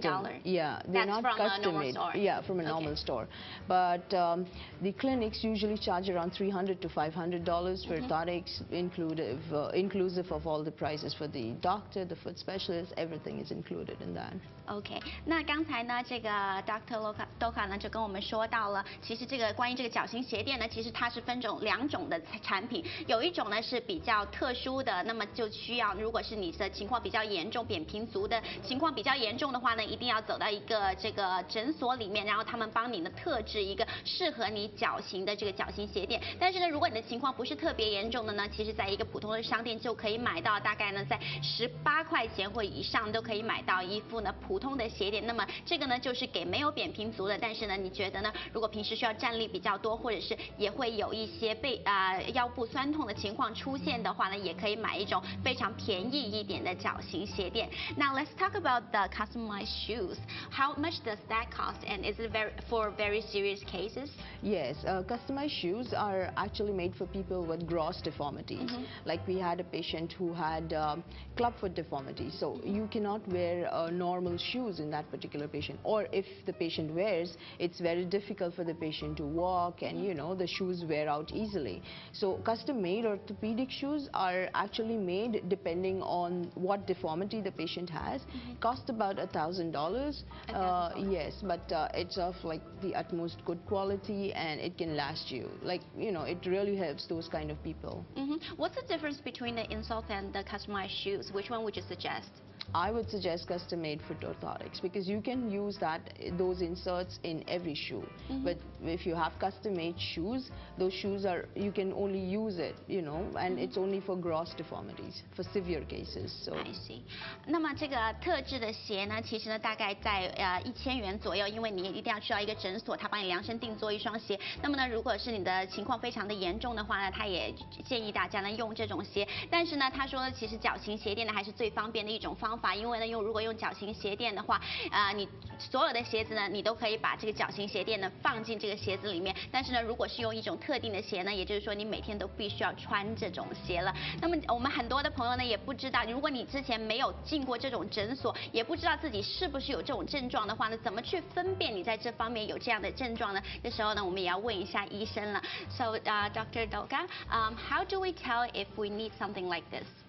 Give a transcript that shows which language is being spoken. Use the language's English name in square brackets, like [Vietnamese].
[English] $18? Yeah. That's not from custom a normal store? Yeah, from a normal store. But the clinics usually charge around $300 to $500 for orthotics, inclusive of all the prices for the doctor, the foot specialist, everything. Is included in that. [Chinese] Okay, 那刚才呢，这个 Dr. Dolkar 呢就跟我们说到了，其实这个关于这个脚型鞋垫呢，其实它是分种两种的产品，有一种呢是比较特殊的，那么就需要如果是你的情况比较严重，扁平足的情况比较严重的话呢，一定要走到一个这个诊所里面，然后他们帮你呢特制一个适合你脚型的这个脚型鞋垫。但是呢，如果你的情况不是特别严重的呢，其实在一个普通的商店就可以买到，大概呢在18块钱或以上都可以买到一副呢普通的鞋垫。那么这个呢就是给没有扁平足的，但是呢你觉得呢如果平时需要站立比较多，或者是也会有一些背腰部酸痛的情况出现的话呢，也可以买一种非常便宜一点的脚型鞋垫。 [English] Now let's talk about the customized shoes. How much does that cost, and is it for very serious cases? Yes, customized shoes are actually made for people with gross deformities. Like we had a patient who had clubfoot deformity, so you cannot wear normal shoes in that particular patient, or if the patient wears, it's very difficult for the patient to walk, and you know, the shoes wear out easily. So custom made orthopedic shoes are actually made depending on what deformity the patient has. Cost about $1,000. Yes, but it's of like the utmost good quality, and it can last you, like, you know, it really helps those kind of people. What's the difference between the insoles and the customized shoes? Which one would you suggest? I would suggest custom-made foot orthotics, because you can use those inserts in every shoe. But if you have custom-made shoes, those shoes are, you can only use it, you know, and it's only for gross deformities, for severe cases. So I see. [Chinese] 那么这个特制的鞋呢，其实呢，大概在1000元左右， 因为你一定要需要一个诊所，他帮你量身定做一双鞋。那么呢，如果是你的情况非常的严重的话呢，他也建议大家呢用这种鞋。但是呢，他说其实脚型鞋垫呢还是最方便的一种方法，因为呢用如果用脚型鞋垫的话，你所有的鞋子呢你都可以把这个脚型鞋垫呢放进这个鞋子里面。但是呢，如果是用一种特定的鞋呢，也就是说你每天都必须要穿这种鞋了。那么我们很多的朋友呢也不知道，如果你之前没有进过这种诊所，也不知道自己是不是有这种症状的话呢，怎么去分辨你在这方面有这样的症状呢？这时候呢，我们也要问一下医生了。So, Dr. [English] Dolkar, how do we tell if we need something like this?